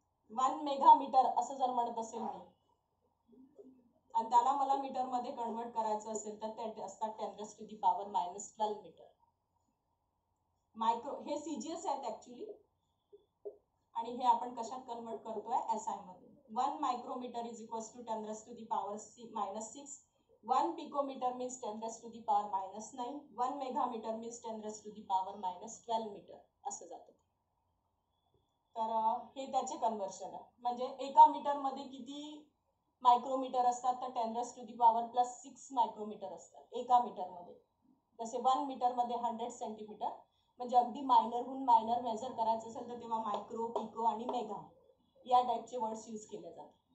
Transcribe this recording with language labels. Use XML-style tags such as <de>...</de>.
<mr>1 मेगामीटर असं जर म्हणत असेल मी आणि त्याला मला मीटर मध्ये कन्वर्ट करायचं असेल तर ते असतात 10^-12 मीटर मायक्रो हे CGS आहेत ऍक्च्युली आणि हे आपण कशात कन्वर्ट करतोय SI मध्ये</mr> <en>1 micrometer is equals to 10 raised to the power minus 6. 1 picometer means 10 raised to the power minus 9. 1 megameter means 10 raised to the power minus 12 meter.</en> <mr>असे जाते. तर हे त्याचे कन्वर्शन आहे. म्हणजे 1 मीटर मध्ये किती मायक्रोमीटर असतात तर</mr> <en>10 raised to the power plus 6 micrometer</en> <mr>असतात 1 मीटर मध्ये. जसे 1 मीटर मध्ये 100 सेंटीमीटर म्हणजे अगदी मायनर हून मायनर मेजर करायचं असेल तर तेव्हा मायक्रो पिको आणि मेगा या टाईपचे वर्ड्स यूज केले जातात.</mr>